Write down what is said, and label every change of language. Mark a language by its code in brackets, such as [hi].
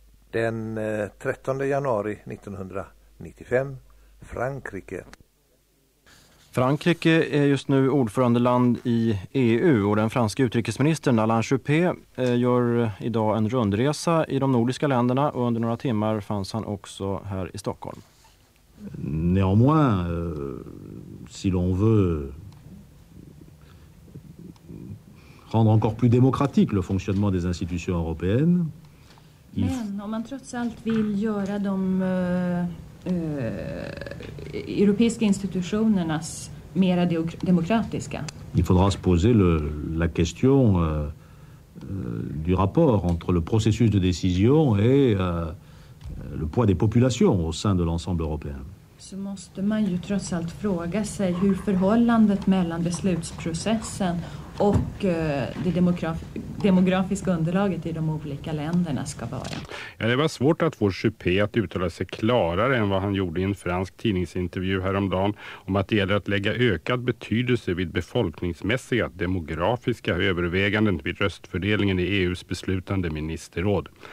[sv] Den 13 januari 1995, Frankrike. Frankrike är just nu ordförandeland i EU och den franska utrikesministern Alain Juppé gör idag en rundresa i de nordiska länderna och under några timmar fanns han också här i Stockholm. [fr] Néanmoins, si l'on veut rendre encore plus démocratique le fonctionnement des institutions européennes. [sv] Men om man trots allt vill göra de europeiska institutionernas mer demokratiska. [fr] Il faudra se poser la question du rapport entre le processus de décision et le poids des populations au sein de l'ensemble européen. [sv] Så måste man ju trots allt fråga sig hur förhållandet mellan beslutsprocessen och det demografiska underlaget i de olika länderna ska vara. Ja, det var svårt att få Juppé att uttala sig klarare än vad han gjorde i en fransk tidningsintervju häromdagen om att det gäller att lägga ökad betydelse vid befolkningsmässiga demografiska överväganden vid röstfördelningen i EUs beslutande ministerråd.